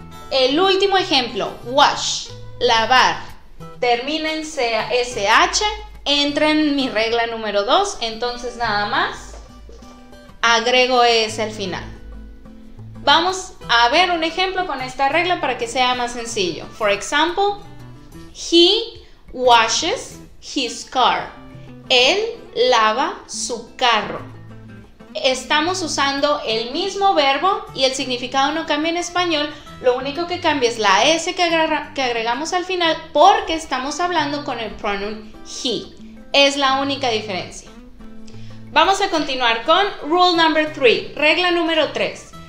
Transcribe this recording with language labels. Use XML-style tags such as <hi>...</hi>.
<es>El último ejemplo, wash, lavar. Termina en CH, entra en mi regla número 2. Entonces nada más agrego ES al final. Vamos a ver un ejemplo con esta regla para que sea más sencillo.</es> <en>For example, he washes his car.</en> <es>Él lava su carro. Estamos usando el mismo verbo y el significado no cambia en español. Lo único que cambia es la S que agregamos al final porque estamos hablando con el pronoun he. Es la única diferencia. Vamos a continuar con</es> <en>rule number 3,</en> <es>regla número 3.</es>